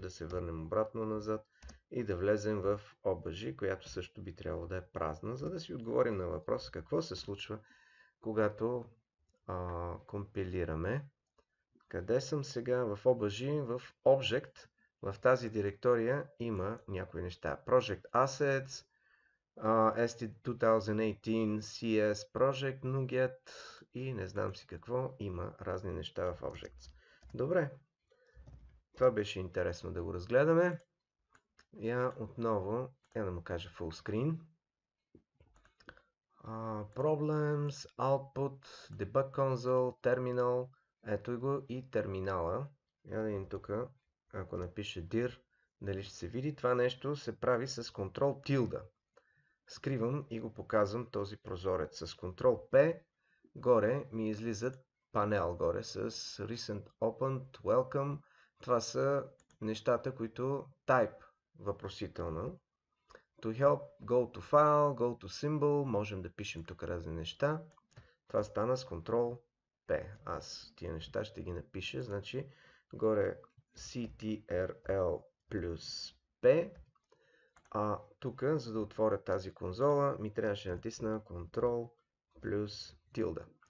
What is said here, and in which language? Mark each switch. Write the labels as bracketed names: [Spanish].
[Bulgarian] Да се върнем обратно назад и да влезем в OBJ, която също би трябвало да е празна, за да си отговорим на въпроса какво се случва, когато компилираме. Къде съм сега? В Обажин, в Object, в тази директория има някои неща. Project Assets, ST2018, CS Project Nuget и не знам си какво. Има разни неща в Objects. Добре. Това беше интересно да го разгледаме. Я отново, я да му кажа full screen. [English] Problems, Output, Debug Console, Terminal. [Bulgarian] Ето и го и терминала. Я да видим тук, ако напише dir, дали ще се види. Това нещо се прави с Ctrl tilde. Скривам и го показвам този прозорец. С Ctrl P горе ми излизат панел горе с Recent Opened, Welcome. Това са нещата, които Type въпросително. [English] To help, go to file, go to symbol. [Bulgarian] Можем да пишем тук разни неща. Това стана с Ctrl P. Аз тия неща ще ги напиша. Значи горе CTRL плюс P. А тук, за да отворя тази конзола, ми трябваше да натисна Ctrl плюс tilde.